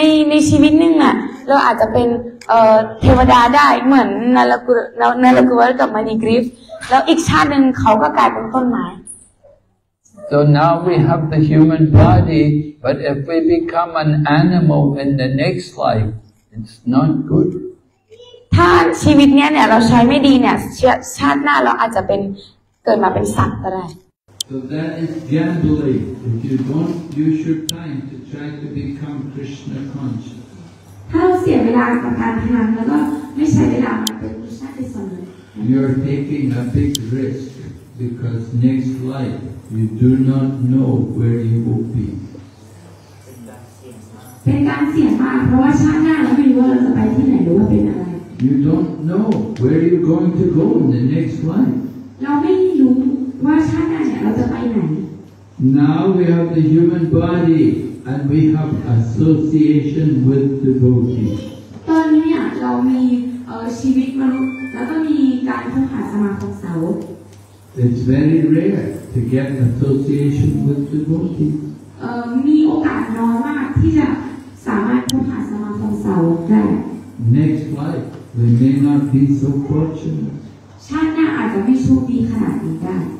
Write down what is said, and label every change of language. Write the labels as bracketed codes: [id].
[th] ในชีวิตหนึ่งอะเราอาจจะเป็นเทวดาได้เหมือนนาลกุลกับมานีกริฟแล้วอีกชาตินึงเขาก็กลายเป็นต้นไม้ [en] So now we have the human body but if we become an animal in the next life it's not good [th] ถ้าชีวิตเนี้ยเราใช้ไม่ดีเนี่ยชาติหน้าเราอาจจะเป็นเกิดมาเป็นสัตว์ก็ได้ [en] So that is gambling. If you don't use your time to try to become Krishna conscious. [th] ถ้าเราเสียเวลากับการพนันแล้วก็ไม่ใช้เวลามาเป็นผู้ใช้ที่สำ [en] เร็จ You're taking a big risk because next life you do not know where you will be. [th] เป็นการเสี่ยงมากเพราะว่าชาติหน้าเราไม่รู้ว่าเราจะไปที่ไหนหรือว่าเป็นอะไร [en] You don't know where you're going to go in the next life. [th] เราไม่รู้ว่าชาติหน้าเนี่ยเราจะไปไหน [en] Now we have the human body and we have association with devotees [th] ตอนนี้ เรามีชีวิตมนุษย์แล้วก็มีการพบหาสมาคมสาวก [en] It's very rare to get association with devotees [th] มีโอกาสน้อยมากที่จะสามารถพบหาสมาคมสาวกได้ [en] Next life we may not be so fortunate [th] ชาติหน้าอาจจะไม่โชคดีขนาดนี้ได้